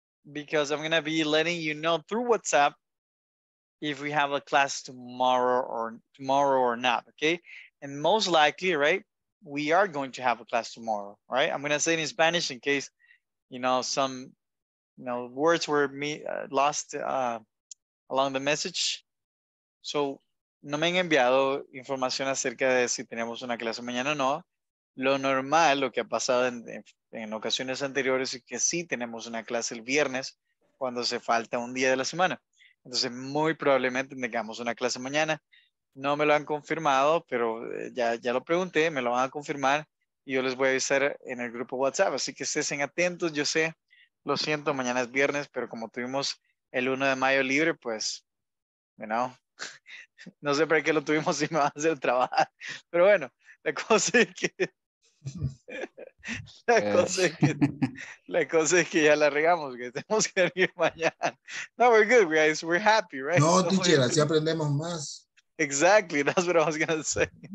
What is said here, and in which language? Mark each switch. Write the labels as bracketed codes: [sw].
[en] Because I'm going to be letting you know through WhatsApp if we have a class tomorrow or not, okay? And most likely, right, we are going to have a class tomorrow, right? I'm going to say it in Spanish in case, some words were lost along the message. [es] So, no me han enviado información acerca de si tenemos una clase mañana o no. Lo normal, lo que ha pasado en ocasiones anteriores es que sí tenemos una clase el viernes cuando se falta un día de la semana. Entonces, muy probablemente tengamos una clase mañana. No me lo han confirmado, pero ya lo pregunté, me lo van a confirmar y yo les voy a avisar en el grupo WhatsApp. Así que estén atentos, yo sé, lo siento, mañana es viernes, pero como tuvimos el 1 de mayo libre, pues, no sé para qué lo tuvimos si me van a hacer trabajar. Pero bueno, La cosa es que ya la regamos, que tenemos que venir mañana. [en] No, we're good, guys. We're happy, right? [es] No, teacher, así aprendemos más. [en] Exactly, that's what I was going to say.